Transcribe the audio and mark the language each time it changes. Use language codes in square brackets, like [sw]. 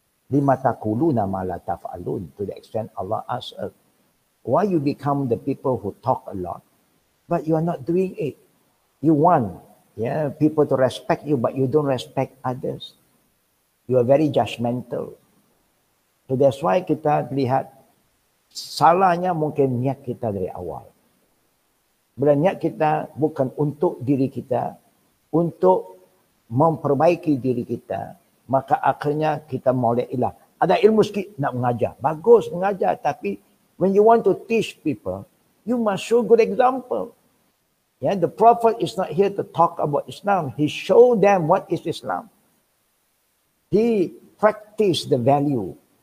[ar] Lima takuluna ma la taf'alun. [en] To the extent Allah ask us, why you become the people who talk a lot, but you are not doing it? You want, yeah, people to respect you, but you don't respect others. You are very judgmental. So that's why [ms] kita lihat salahnya mungkin niat kita dari awal. Bila niat kita bukan untuk diri kita, untuk memperbaiki diri kita, maka akhirnya kita mulai ilah. Ada ilmu sikit nak mengajar. Bagus mengajar, tapi [en] when you want to teach people, you must show good example. Yeah, the prophet is not here to talk about Islam. He show them what is Islam. He practice the value